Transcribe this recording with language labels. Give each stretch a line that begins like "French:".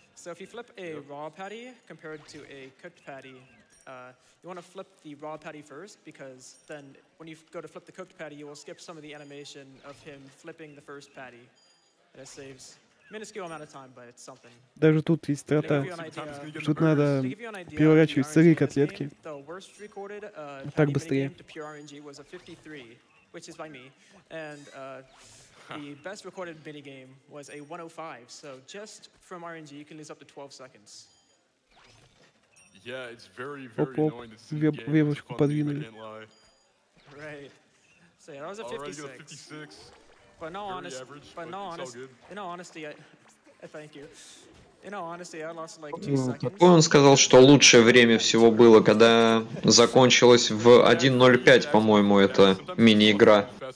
English: So if you flip a raw patty compared to a cooked patty, you want to flip the raw patty first because then when you go to flip the cooked patty, you will skip some of the animation of him flipping the first patty. And it saves a minuscule amount of time, but it's something.
Russian: Даже тут есть страта. Тут надо переворачивать сырые котлетки.
English: The worst recorded patty minigame to pure RNG was a 53, which is by me. And the best recorded minigame was a 105. So just from RNG, you can lose up to 12 seconds. Yeah, it's very, very annoying to see the game. It's funny, I can't lie. Right. So yeah, that was a 56. Alright, you got 56. But no, honest, average, but no honest, in all honesty, thank you. In all honesty, I lost like 2 seconds.
Russian: Такой он сказал, что лучшее время всего было, когда закончилось в 1.05, по-моему, это мини-игра.